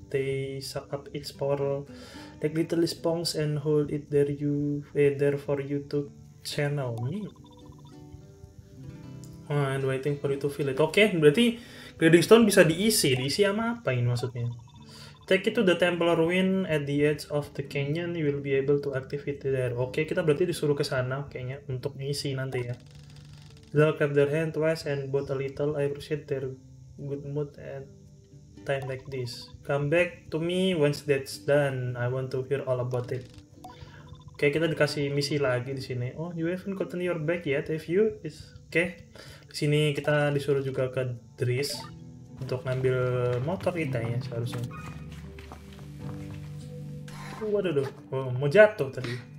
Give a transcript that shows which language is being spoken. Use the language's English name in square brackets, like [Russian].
[English] They suck up its power like little sponges and hold it there there for you to channel. And waiting for you to feel it. [Indonesian] Okay, berarti gliding stone bisa diisi. Diisi sama apa ini maksudnya? [English] Take it to the temple ruin at the edge of the canyon. You will be able to activate it there. [Indonesian] Oke, kita berarti disuruh ke sana kayaknya untuk ngisi nanti ya. [English] They'll clap their hand twice and bow a little. I appreciate their good mood at time like this. Come back to me once that's done. I want to hear all about it. [Indonesian] Oke, kita dikasih misi lagi di sini. [English] Oh, you haven't gotten your back yet, have you? It's okay. [Indonesian] Di sini kita disuruh juga ke Driss untuk ngambil motor kita ya seharusnya. Waduh, oh, mau jatuh tadi.